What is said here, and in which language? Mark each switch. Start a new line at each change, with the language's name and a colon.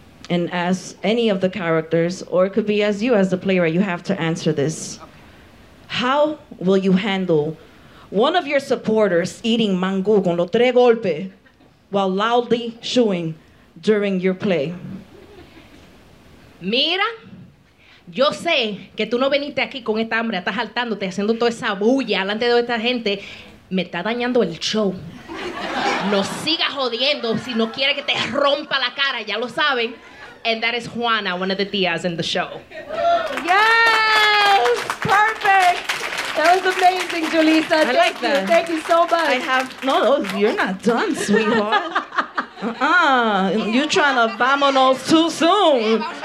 English: And as any of the characters, or it could be as you as the playwright, you have to answer this. How will you handle one of your supporters eating
Spanish: mango con los tres golpes
English: while loudly shooing during your play?
Spanish: Mira, yo sé que tú no veniste aquí con esta hambre, estás saltándote, haciendo toda esa bulla delante de esta gente. Me está dañando el show. No sigas jodiendo si no quieres que te rompa la cara, ya lo saben.
English: And that is Juana, one of the tías in the show. Yes! Perfect! That was amazing, Julissa. I like that. Thank you so much. I have... No, you're not done, sweetheart. You're trying to
Spanish: vámonos
English: too soon.